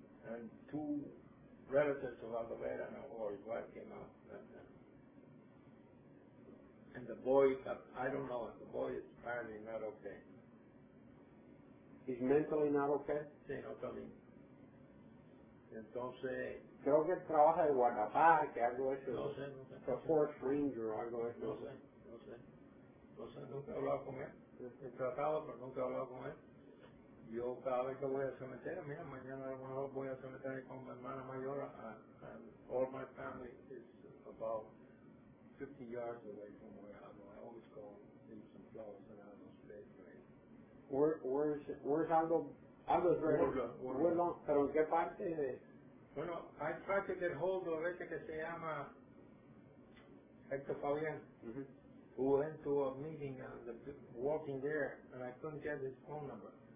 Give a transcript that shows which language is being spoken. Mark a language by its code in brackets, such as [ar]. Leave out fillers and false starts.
[en] And 2 relatives of Aguilera or his wife came out. And the boy, I don't know. The boy is apparently not okay. He's mentally not okay? [es] Sí, no está bien. Entonces... Creo que trabaja de guardaparque, algo de eso. No sé, no sé. The Force Ranger o algo de eso. No sé, no sé. No sé, nunca he hablado con él. He tratado, pero nunca he hablado con él. Yo cada vez que voy al cementerio, mira, mañana a lo mejor voy al cementerio con mi hermana mayor. [en] And all my family is about 50 yards away from where I am. I always go in some flowers and I'm not very Where's Aldo? Aldo's very... Woodland. [es] Pero en qué parte de... [en] Bueno, I tried to get hold of [es] este que se llama [en] Hector Fabian, who went to a meeting and walking there, and I couldn't get his phone number.